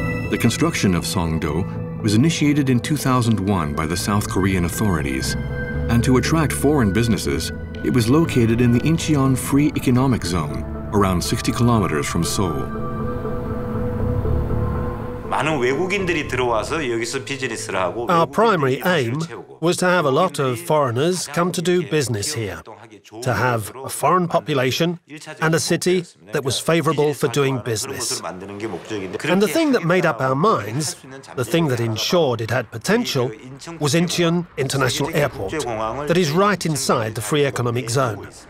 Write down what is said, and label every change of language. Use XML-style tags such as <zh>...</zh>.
<en>The construction of Songdo was initiated in 2001 by the South Korean authorities. And to attract foreign businesses, it was located in the Incheon Free Economic Zone, around 60 kilometers from Seoul.</en> <ko>많은 외국인들이 들어와서 여기서 비즈니스를 하고.</ko> <en>Our primary aim was to have a lot of foreigners come to do business here, to have a foreign population and a city that was favorable for doing business. And the thing that made up our minds, the thing that ensured it had potential, was Incheon International Airport, that is right inside the free economic zone.</en>